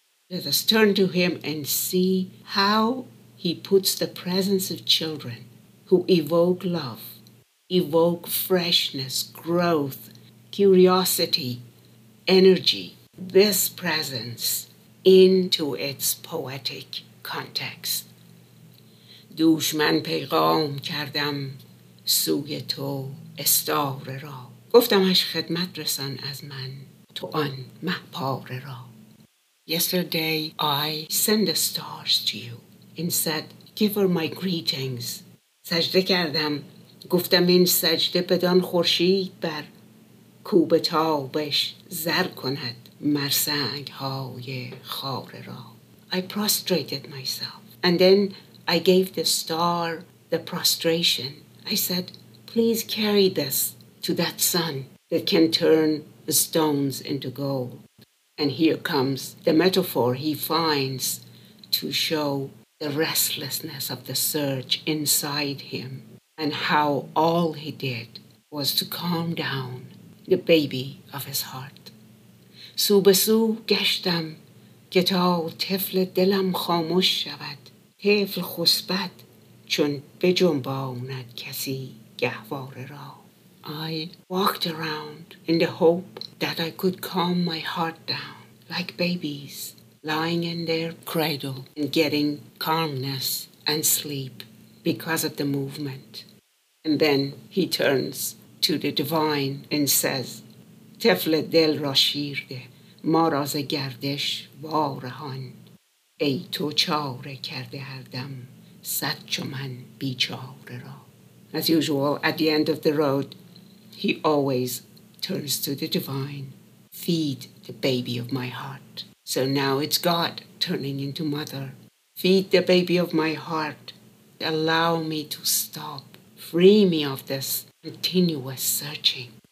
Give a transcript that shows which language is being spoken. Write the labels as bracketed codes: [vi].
[en] Let us turn to him and see how he puts the presence of children who evoke love, evoke freshness, growth, curiosity, energy, this presence into its poetic context. [fa] دوش من پیغام کردم سوی تو استاره را، گفتمش خدمت رسان از من تو آن مهپاره را. [en] Yesterday I sent the stars to you and said, give her my greetings. [fa] سجده کردم گفتم این سجده بدان خورشید بر کوب تابش زر کند مرسنگ های خاره را. [en] I prostrated myself and then I gave the star the prostration. I said, please carry this to that sun that can turn stones into gold. And here comes the metaphor he finds to show the restlessness of the surge inside him and how all he did was to calm down the baby of his heart. [fa] سو به سو گشتم که تا طفل دلم خاموش شود. طفل خسبد چون بجنباند کسی گهواره را. [en] I walked around in the hope that I could calm my heart down like babies lying in their cradle and getting calmness and sleep because of the movement. And then he turns to the divine and says, [fa] تفل دل را شیرده ما راز گردش وارهان ای تو چاره کرده هر دم صد چو من بیچاره را. [en] As usual, at the end of the road, he always turns to the divine, feed the baby of my heart. So now it's God turning into mother. Feed the baby of my heart. Allow me to stop. Free me of this continuous searching.